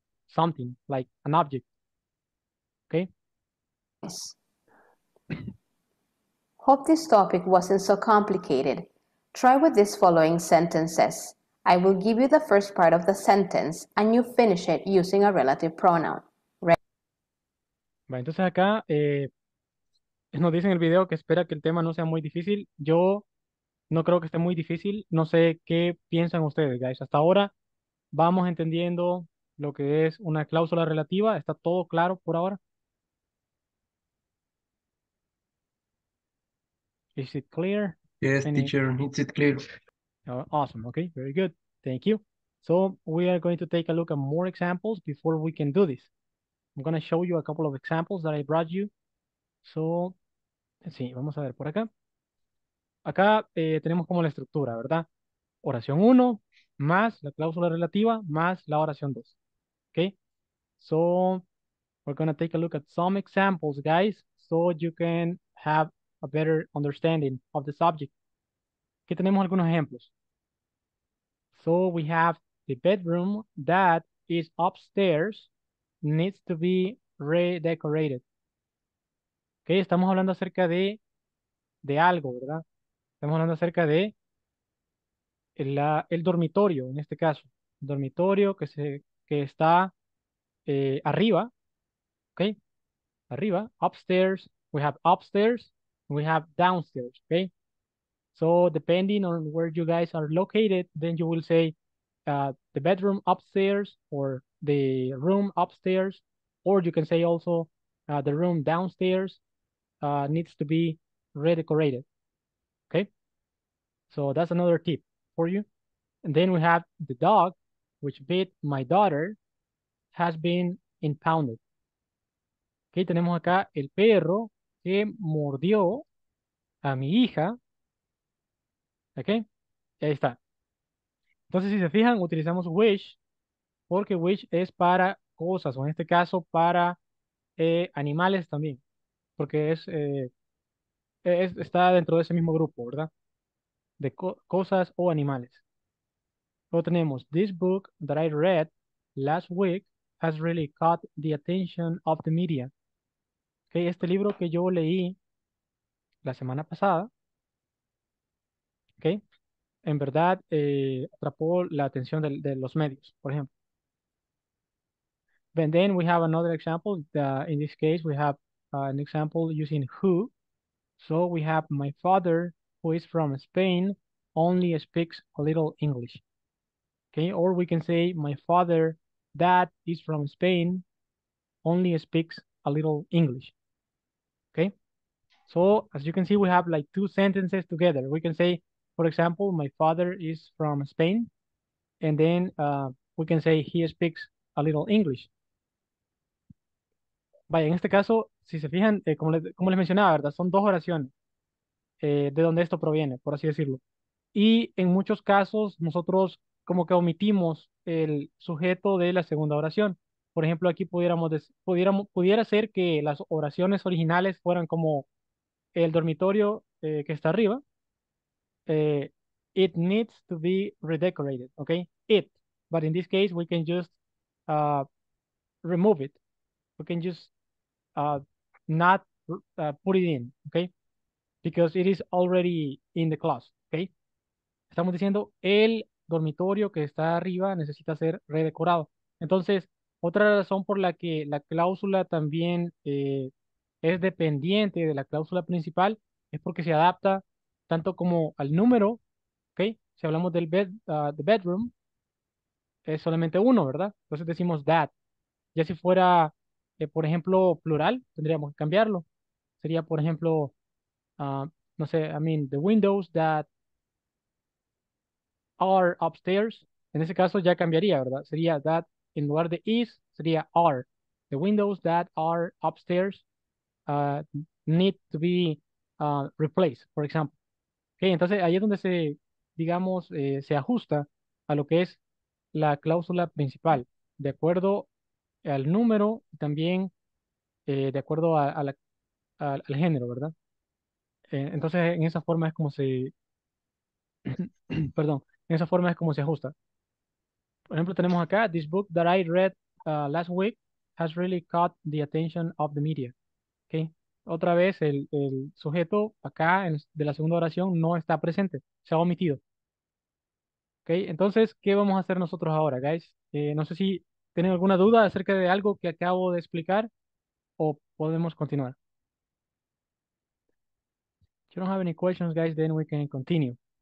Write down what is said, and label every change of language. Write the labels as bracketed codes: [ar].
[en] Something like an object. Okay. Yes. Hope this topic wasn't so complicated. Try with these following sentences. I will give you the first part of the sentence and you finish it using a relative pronoun. Right? [es] Bueno, entonces acá nos dicen en el video que espera que el tema no sea muy difícil. Yo no creo que esté muy difícil. No sé qué piensan ustedes, guys. Hasta ahora vamos entendiendo lo que es una cláusula relativa. ¿Está todo claro por ahora? [en] Is it clear? Yes, teacher, is it clear? Awesome, okay, very good. Thank you. So we are going to take a look at more examples before we can do this. I'm going to show you a couple of examples that I brought you. So, let's see, [es] vamos a ver por acá. Acá tenemos como la estructura, ¿verdad? Oración 1 más la cláusula relativa más la oración 2. [en] Okay, so we're going to take a look at some examples, guys, so you can have a better understanding of the subject. [es] Aquí tenemos algunos ejemplos. [en] So we have the bedroom that is upstairs needs to be redecorated. [es] Okay, estamos hablando acerca de algo, ¿verdad? Estamos hablando acerca de el dormitorio, en este caso, el dormitorio que está arriba, ¿ok? Arriba, [en] upstairs, we have upstairs, we have downstairs, ¿ok? So, depending on where you guys are located, then you will say the bedroom upstairs or the room upstairs, or you can say also the room downstairs needs to be redecorated, okay? So that's another tip for you. And then we have the dog, which bit my daughter, has been impounded. [es] Okay, tenemos acá el perro que mordió a mi hija. Okay, ahí está. Entonces, si se fijan, utilizamos wish, porque wish es para cosas, o en este caso, para animales también. Porque está dentro de ese mismo grupo, ¿verdad? De cosas o animales. Luego tenemos, [en] this book that I read last week has really caught the attention of the media. [es] Okay, este libro que yo leí la semana pasada, okay, en verdad atrapó la atención de los medios, por ejemplo. [en] And then we have another example. In this case, we have an example using who. So we have my father, who is from Spain, only speaks a little English. Okay, or we can say my father that is from Spain only speaks a little English. Okay, so as you can see, we have like two sentences together. We can say, for example, my father is from Spain, and then we can say he speaks a little English. [es] Vaya, en este caso, si se fijan, como les mencionaba, ¿verdad? Son dos oraciones de donde esto proviene, por así decirlo. Y en muchos casos, nosotros como que omitimos el sujeto de la segunda oración. Por ejemplo, aquí pudiera ser que las oraciones originales fueran como el dormitorio que está arriba. [en] It needs to be redecorated, okay? It. But in this case, we can just remove it. We can just not put it in, okay? Because it is already in the closet, okay? [es] Estamos diciendo el dormitorio que está arriba necesita ser redecorado. Entonces, otra razón por la que la cláusula también es dependiente de la cláusula principal es porque se adapta tanto como al número, okay? Si hablamos del [en] the bedroom, [es] es solamente uno, ¿verdad? Entonces decimos that. Ya si fuera, por ejemplo, plural, tendríamos que cambiarlo. Sería, por ejemplo, no sé, [en] I mean, the windows that are upstairs. [es] En ese caso ya cambiaría, ¿verdad? Sería that, en lugar de is, sería are. [en] The windows that are upstairs need to be replaced, for example. [es] Okay, entonces ahí es donde se, digamos, se ajusta a lo que es la cláusula principal, de acuerdo al número y también de acuerdo al género, ¿verdad? Entonces, en esa forma es como se, perdón, en esa forma es como se ajusta. Por ejemplo, tenemos acá, [en] this book that I read last week has really caught the attention of the media, okay. [es] Otra vez, el sujeto acá de la segunda oración no está presente. Se ha omitido. Okay, entonces, ¿qué vamos a hacer nosotros ahora, guys? No sé si tienen alguna duda acerca de algo que acabo de explicar o podemos continuar. [en] If you don't have any questions, guys, then we can continue.